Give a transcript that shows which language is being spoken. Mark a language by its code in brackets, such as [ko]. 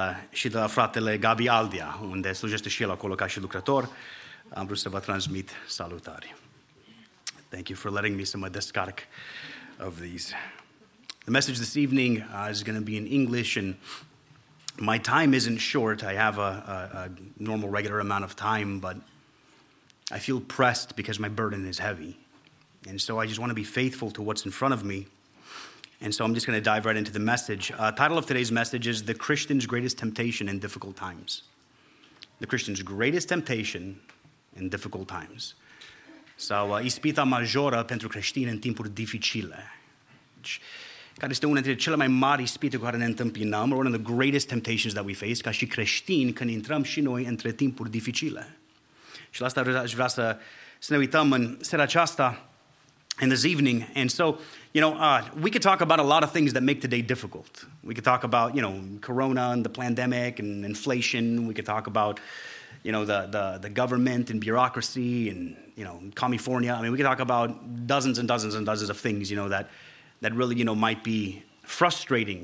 [ro] Și de la fratele Gabi Aldia, unde slujește și el acolo ca și lucrător, am vrut să vă transmit salutări. [en] Thank you for letting me [ro] să mă descarc [en] of these. The message this evening is going to be in English, and my time isn't short. I have a normal, regular amount of time, but I feel pressed because my burden is heavy. And so I just want to be faithful to what's in front of me. And so I'm just going to dive right into the message. Title of today's message is The Christian's Greatest Temptation in Difficult Times. The Christian's Greatest Temptation in Difficult Times. [ro] Sau ispita majoră pentru creștini în timpuri dificile. Care este una dintre cele mai mari ispite cu care ne întâmpinăm, [en] or one of the greatest temptations that we face, [ro] ca și creștini când intrăm și noi între timpuri dificile. Și la asta aș vrea să ne uităm în seara aceasta, [en] in this evening. And so, you know, we could talk about a lot of things that make today difficult. We could talk about, you know, corona and the pandemic and inflation. We could talk about, you know, the government and bureaucracy and, you know, California. I mean, we could talk about dozens and dozens and dozens of things, you know, that really, you know, might be frustrating.